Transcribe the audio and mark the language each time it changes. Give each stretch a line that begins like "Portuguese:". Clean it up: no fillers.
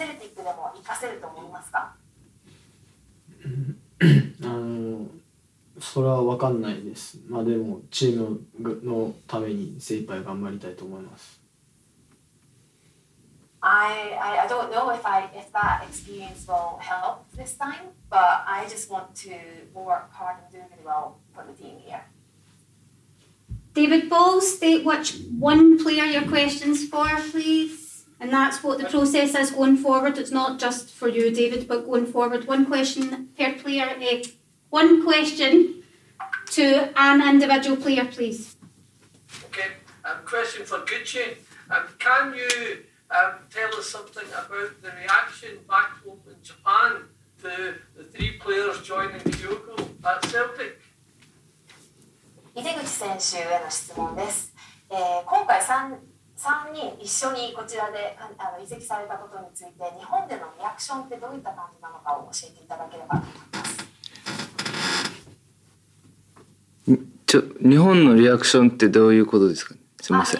Japanese: 旗手選手への質問です。ようこそ、セルティックへ。日本で先月優勝されたと思うんですけども、その経験はセルティックでも活かせると思いますか？それは分かんないです。でもチームのために精一杯頑張りたいと思います。
English: I don't know if that experience will help this time, but I just want to work hard and do really well for the team here. David Ball, state which one player your question's for, please. And that's what the process is going forward. It's not just for you, David, but going forward. One question per player. One question to an individual player, please. Okay. Question for Gucci. Can you tell us something about the reaction back home in Japan to the three players joining Kyoko at Celtic?
Japanese: 井出口選手への質問です。今回3 3人一緒にこちらで移籍されたことについて日本でのリアクションってどういった感じなのかを教えていただければと思います。日本のリアクションってどういうことですか、ね、すみません。